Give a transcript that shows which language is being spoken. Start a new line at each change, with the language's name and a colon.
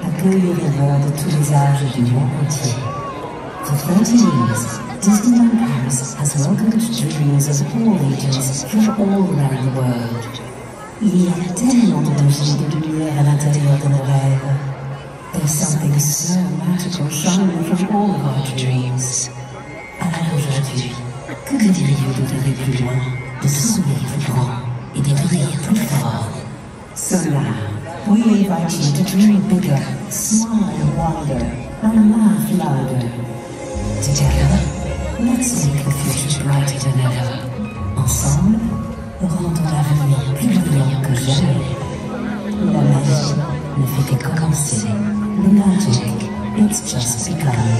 French: les rêveurs de tous les âges et du monde entier.
English: For 30 years, Disneyland Paris has welcomed dreamers of all ages from all around the world.
French: Il y a tellement de magie de lumière à l'intérieur de nos rêves.
English: There's something so magical shining from all of our dreams.
French: Alors aujourd'hui, que diriez-vous d'aller plus loin, de sourire plus grand et de rire plus fort?
English: So now, we invite you to dream bigger, smile wider, and laugh louder. Together, let's make the future brighter than ever.
French: Ensemble, rendons l'avenir plus brillant que jamais. La magie ne fait que commencer.
English: The magic, it's just begun.